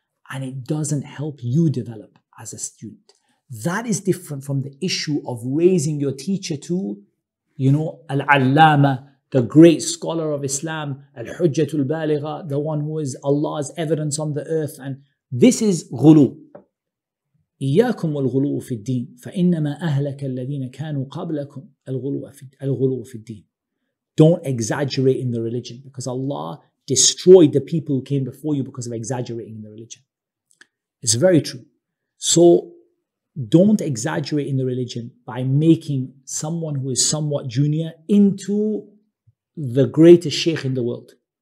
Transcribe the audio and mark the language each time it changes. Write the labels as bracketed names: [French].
[English] And it doesn't help you develop as a student. That is different from the issue of raising your teacher to, you know, al-allama, the great scholar of Islam, al-hujjatul baligha, the one who is Allah's evidence on the earth. And this is ghulu. [Arabic] إياكم والغلو في الدين فإنما أهلك الذين كانوا قبلكم الغلو في الدين. [English] Don't exaggerate in the religion, because Allah destroyed the people who came before you because of exaggerating in the religion. It's very true. So don't exaggerate in the religion by making someone who is somewhat junior into the greatest sheikh in the world.